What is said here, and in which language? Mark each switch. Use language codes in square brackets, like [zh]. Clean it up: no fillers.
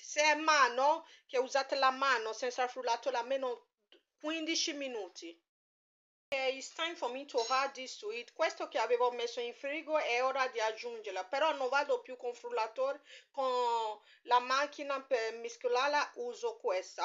[it] Se è mano, che usate la mano senza frullatore, almeno 15 minuti. [en] Okay, it's time for me to add this to it. [it] Questo che avevo messo in frigo è ora di aggiungerlo, però non vado più con frullatore, con la macchina per mescolarla uso questa.